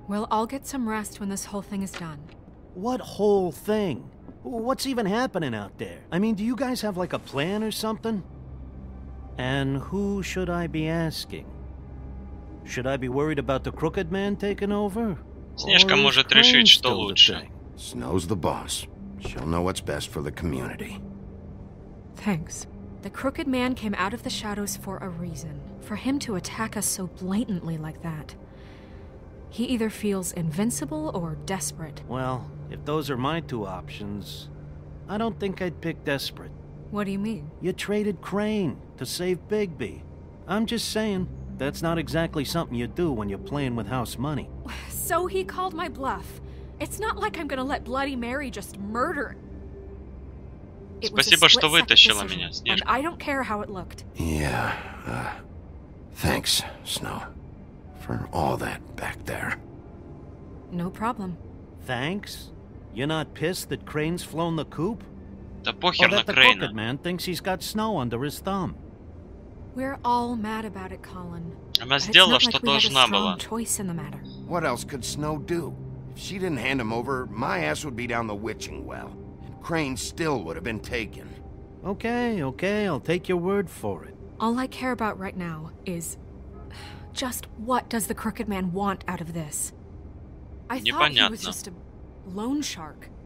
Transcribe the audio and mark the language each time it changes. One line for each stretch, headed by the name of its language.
English: Well, I'll get some rest when this whole thing is done. What whole thing? What's even happening out there? I mean, do you guys have like a plan or something? And who should I be asking? Should I be worried about the crooked man taking over?
Russian: Снежка может решить, что лучше.
English: Snow's the boss. She'll know what's best for the community. Thanks. The crooked man came out of the shadows for a reason. For him to attack us so blatantly like that. He either feels invincible or desperate. Well, if those are my two options, I don't think I'd pick desperate. What do you mean? You traded Crane to save Bigby. I'm just saying, that's not exactly something you do when you're playing with house money. So he called my bluff. It's not like I'm gonna let Bloody Mary just murder.
Russian: Спасибо, что вытащила меня, Снежка.
English: I don't care how it looked. Yeah, thanks, Snow, for all that back there. No problem. Thanks? You're not pissed that Crane's flown the coop?
Russian: Да похер на Крейна.
English: Or that the crooked man thinks he's got Snow under his thumb? We're all mad about it, Colin.
Russian: Она сделала, что должна была.
English: What else could Snow do? If she didn't hand him over, my ass would be down the witching well. Crane still would have been taken. Okay, okay, I'll take your word for it. All I care about right now is... just what does the crooked man want out of this? I thought he was just a loan shark,